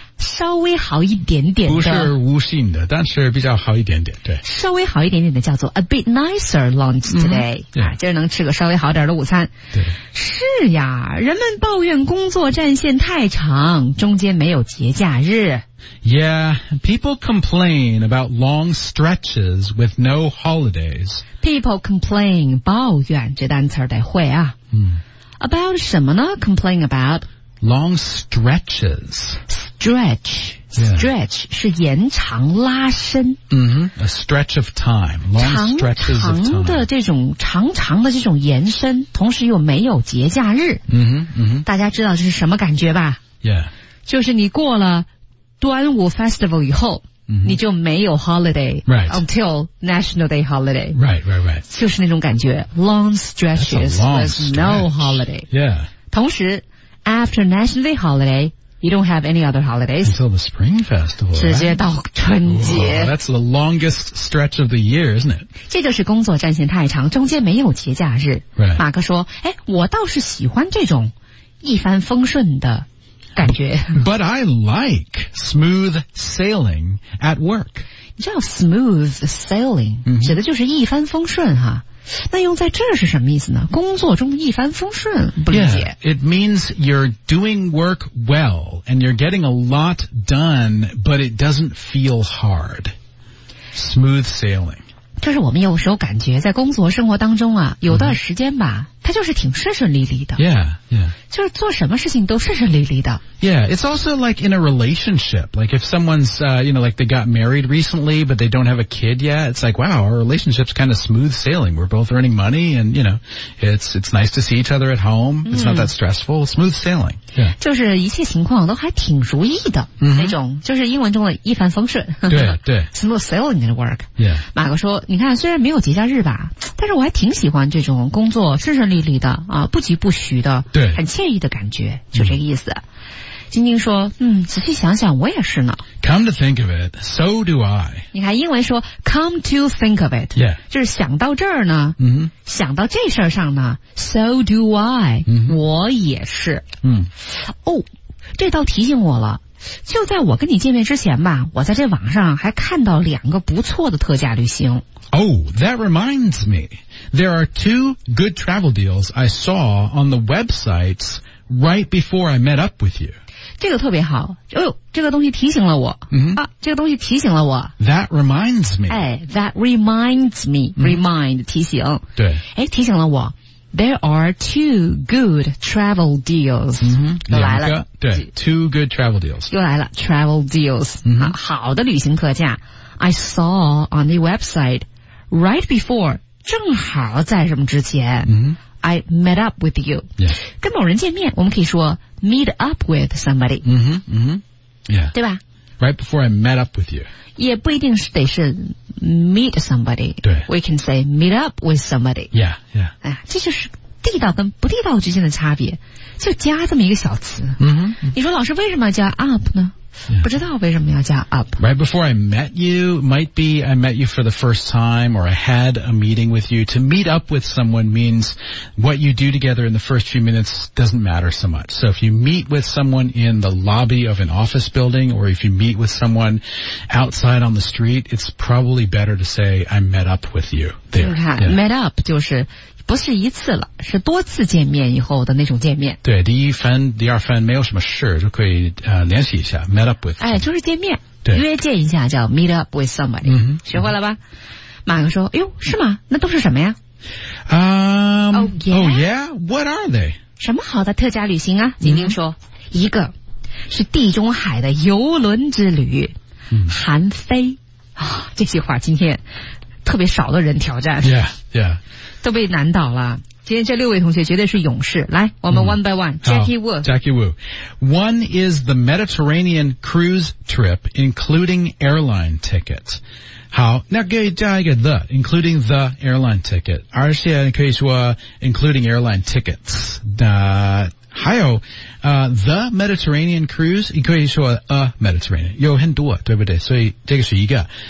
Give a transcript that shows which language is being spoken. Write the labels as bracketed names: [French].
[Chinese] 稍微好一点点的。不是无性的，但是比较好一点点，对。稍微好一点点的叫做 [English] a bit nicer lunch today. [Chinese] 对、 mm-hmm. yeah. 啊。今儿能吃个稍微好点的午餐。对。是呀，人们抱怨工作战线太长，中间没有节假日。 [English] Yeah, people complain about long stretches with no holidays. People complain, [Chinese] 抱怨这单词得会啊。 About 什么呢 ？ [English] Complain about long stretches. Stretch, stretch、 yeah. [Chinese] 是延长、拉伸。 [English] Mm-hmm. A stretch of time, long stretches of time. [Chinese] 长长的这种长长的这种延伸，同时又没有节假日。嗯哼，嗯哼。大家知道这是什么感觉吧 [English] ？Yeah. [Chinese] 就是你过了端午 festival 以后。 Mm-hmm. 你就没有 holiday、 [English] right. until National Day holiday. Right, right, right. [Chinese] 就是那种感觉 [English] long stretches That's a long with stretch. no holiday. Yeah. [Chinese] 同时 [English] after National Day holiday, you don't have any other holidays. Until the Spring Festival, [Chinese] 直接到春节。 [English] Oh, that's the longest stretch of the year, isn't it? [Chinese] 这就是工作战线太长，中间没有节假日。 [English] Right. [Chinese] 马克说，哎，我倒是喜欢这种一帆风顺的。感觉 [English] But I like smooth sailing at work. [Chinese] 你知道 smooth sailing 指的就是一帆风顺哈。那用在这是什么意思呢？工作中一帆风顺，不理解。 [English] Yeah, it means you're doing work well and you're getting a lot done, but it doesn't feel hard. Smooth sailing. [Chinese] 就是我们有时候感觉在工作生活当中啊，有段时间吧。它就是挺顺顺利利的 [English] Yeah, yeah. [Chinese] 就是做什么事情都顺顺利利的 [English] Yeah, it's also like in a relationship. Like if someone's, you know, like they got married recently, but they don't have a kid yet. It's like, wow, our relationship's kind of smooth sailing. We're both earning money and, you know, it's nice to see each other at home. It's not that stressful. Smooth sailing. Yeah. [Chinese] 就是一切情况都还挺如意的、 mm-hmm. 那种就是英文中的一帆风顺。对对。 [English] Smooth sailing at work. Yeah. [Chinese] 马哥说你看虽然没有节假日吧但是我还挺喜欢这种工作顺顺利利的啊，不急不徐的，对，很惬意的感觉，就这个意思。晶晶说，嗯，仔细想想我也是呢。 [English] Come to think of it, so do I. [Chinese] 你看英文说 [English] come to think of it. Yeah. [Chinese] 就是想到这儿呢、 mm-hmm. 想到这事儿上呢 [English] so do I.、 Mm-hmm. [Chinese] 我也是。嗯。哦，这倒提醒我了。就在我跟你见面之前吧，我在这网上还看到两个不错的特价旅行。 [English] Oh, that reminds me. There are two good travel deals I saw on the websites right before I met up with you. [Chinese] 这个特别好。哦，这个东西提醒了我。 Mm-hmm. 啊，这个东西提醒了我。 [English] That reminds me. 哎，that reminds me. Remind,、mm-hmm. [Chinese] 提醒。对。 [English] 哎， [Chinese] 提醒了我。 [English] There are two good travel deals.、 Mm-hmm. [Chinese] 又来了。 [English] 对 ,two good travel deals. [Chinese] 又来了 ,travel deals.、 Mm-hmm. [English] 啊、 [Chinese] 好的旅行特价。 [English] I saw on the website right before, [Chinese] 正好在什么之前、 mm-hmm. [English] I met up with you.、 Yeah. [Chinese] 跟某人见面我们可以说 [English] meet up with somebody.、 Mm-hmm. Mm-hmm. Yeah. [Chinese] 对吧 [English] ?Right before I met up with you. [Chinese] 也不一定是得是 [English] meet somebody, we can say meet up with somebody. Yeah, yeah. [Chinese] 哎，这就是地道跟不地道之间的差别，就加这么一个小词。嗯、mm-hmm. 你说老师为什么要加 up 呢？ [English] Yeah. [Chinese] 不知道为什么要加 up。 [English] Right before I met you, might be I met you for the first time or I had a meeting with you. To meet up with someone means what you do together in the first few minutes doesn't matter so much. So if you meet with someone in the lobby of an office building or if you meet with someone outside on the street, it's probably better to say I met up with you there. [Chinese] 你看、yeah. met up 就是不是一次了，是多次见面以后的那种见面。对，第一番、第二番没有什么事，就可以联系一下 ，meet up with。哎，就是见面，对，约见一下叫 meet up with somebody。嗯哼，学会了吧？嗯、马克说：“哎呦，是吗？那都是什么呀？” [English] Oh yeah, what are they？ [Chinese] 什么好的特价旅行啊？晶晶说、嗯：“一个是地中海的游轮之旅，嗯、韩非啊、哦，这句话今天特别少的人挑战。 [English] ”Yeah, yeah. [Chinese] 都被难倒了。今天这六位同学绝对是勇士。来，我们 one by one、Jackie Wu。 [English] Jackie Wu。 One is the Mediterranean cruise trip, including airline tickets. 好， [Chinese] 那给加一个 [English] the, including the airline ticket. [Chinese] 而且可以说 [English] including airline tickets. [Chinese] 还有 [English] the Mediterranean cruise, [Chinese] 你可以说 [English] a Mediterranean, [Chinese] 有很多，对不对？所以这个是一个。